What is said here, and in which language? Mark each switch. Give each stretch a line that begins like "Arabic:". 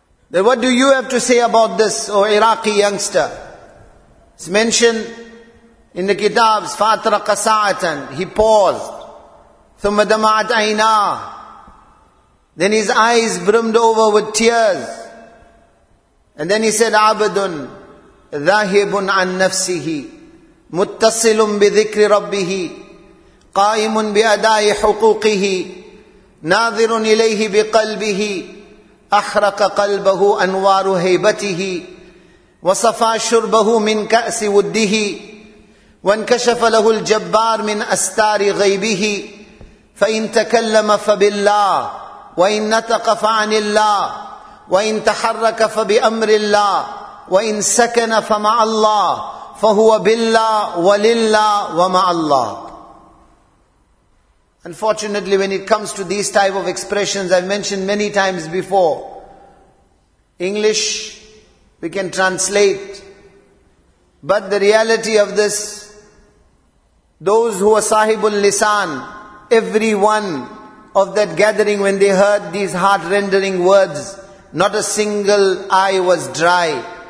English: Then what do you have to say about this, O Iraqi youngster? It's mentioned in the kitabs, Fatra Qasa'atan, he paused.
Arabic: ثُمَّ دَمَعَتْ عَيْنَاهُ
English: Then his eyes brimmed over with tears. And then he said,
Arabic: Abdun ذاهبٌ عن نفسه متصلٌ بذكر ربه قائمٌ بأداء حقوقه ناظرٌ إليه بقلبه أحرق قلبه أنوار هيبته وصفى شربه من كأس وده وانكشف له الجبار من أستار غيبه فإن تكلم فبالله وإن نطق فعن الله وإن تحرك فبأمر الله وإن سكن فمع الله فهو بالله ولله ومع الله.
English: Unfortunately, when it comes to these type of expressions, I've mentioned many times before, English, we can translate. But the reality of this, those who are sahibul lisan, every one of that gathering, when they heard these heart-rending words, not a single eye was dry.